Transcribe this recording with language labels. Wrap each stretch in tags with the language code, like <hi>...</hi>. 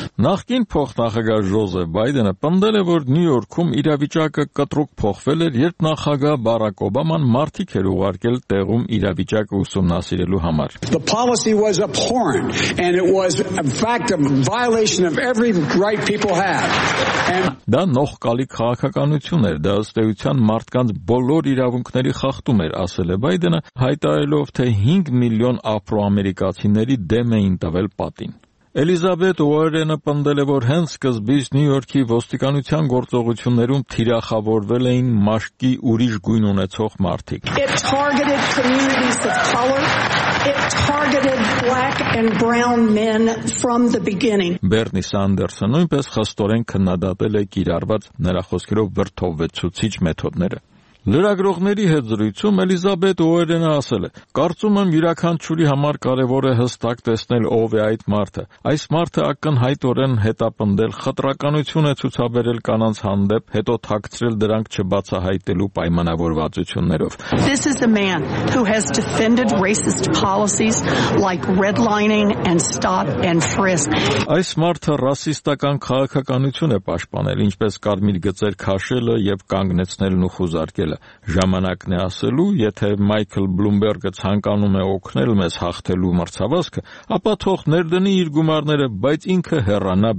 <hy>Նախկին փոխնախագահ Ժոզեֆ Բայդենը պնդել է, որ Նյու Յորքում իրավիճակը կտրուկ փոխվել էր, երբ նախագահ Բարակ Օբաման մարտի էր ուղարկել տեղում իրավիճակը ուսումնասիրելու համար։</hy> <en>The policy was abhorrent and it was in fact a violation of every right people have.</en> <hy>Դա նոխկալի քաղաքականություն էր, դա ըստ էության մարդկանց բոլոր իրավունքների խախտում էր, ասել է Բայդենը, հայտարարելով, թե 5 միլիոն աֆրոամերիկացիների դեմ էին տվել պատին։ Էլիզաբետ Ուորենը պնդել է, որ հենց սկզբից Նյու Յորքի ոստիկանության գործողություններում թիրախավորվել էին մաշկի ուրիշ գույն ունեցող մարդիկ։ Բեռնի Սանդերսը նույնպես խստորեն քննադատել է կիրառված նրա խոսքերով վրդովվեցուցիչ մեթոդները։ Լրագրողների հետ զրույցում Էլիզաբետ Ուորենը ասել է. «Կարծում եմ, յուրաքանչյուրի համար կարևոր է հստակ տեսնել, ով է այդ մարդը. Այս մարդը ակնհայտորեն հետապնդել, խտրականություն է ցուցաբերել կանանց հանդեպ, հետո թաքցրել դրանք չբացահայտելու պայմանավորվածություններով»։</hy> <en>This is a man who has defended racist policies like redlining and stop and frisk.</en> <hy>Այս մարդը ռասիստական քաղաքականություն է պաշտպանել, ինչպես կարմիր գծեր քաշելը և կանգնեցնելն ու խուզարկելը։ Ժամանակն է ասելու, եթե Մայքլ Բլումբերգը ցանկանում է օգնել մեզ հաղթելու մրցավազքը, ապա թող ներդնի իր գումարները, բայց ինքը հեռանա</hy>